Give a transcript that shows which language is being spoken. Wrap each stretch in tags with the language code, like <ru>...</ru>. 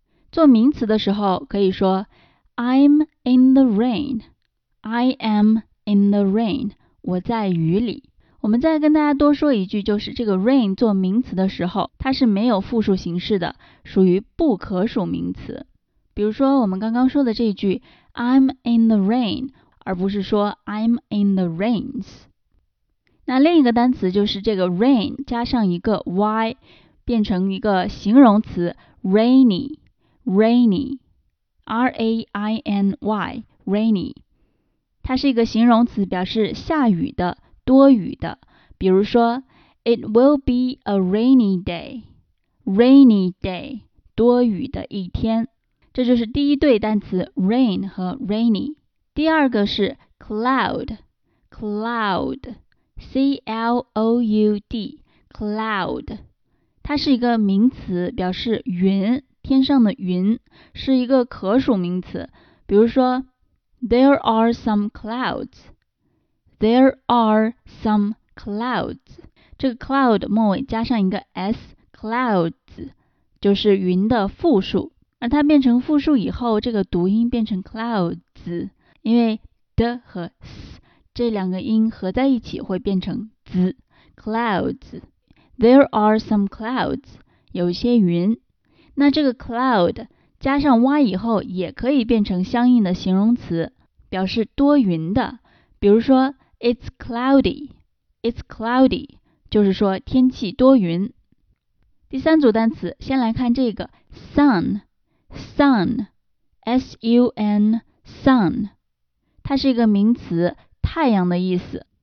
<zh>做名词的时候可以说</zh> <en>I'm in the rain,</en> <zh>我在雨里。我们再跟大家多说一句，就是这个 rain 做名词的时候它是没有复数形式的，属于不可数名词。比如说我们刚刚说的这句</zh> <en>I'm in the rain,</en> <zh>而不是说</zh> <en>I'm in the rains。</en> <zh>那另一个单词就是这个 rain 加上一个 y变成一个形容词 rainy, R-A-I-N-Y, rainy, 它是一个形容词，表示下雨的、多雨的。比如说</zh> <en>It will be a rainy day, rainy day,</en> <zh>多雨的一天。这就是第一对单词 rain 和 rainy。第二个是 cloud, C-L-O-U-D, cloud,它是一个名词，表示云，天上的云，是一个可数名词。比如说</zh> <en>There are some clouds,</en> <zh>这个 cloud 末尾加上一个 s, clouds 就是云的复数。而它变成复数以后，这个读音变成 clouds, 因为 d 和 s 这两个音合在一起会变成 z, clouds。</zh> <en>There are some clouds,</en> <zh>有些云。那这个 cloud 加上 y 以后也可以变成相应的形容词，表示多云的。比如说</zh> <en>It's cloudy,</en> <zh>就是说天气多云。第三组单词先来看这个 sun, S-U-N, sun, 它是一个名词，太阳的意思。</zh>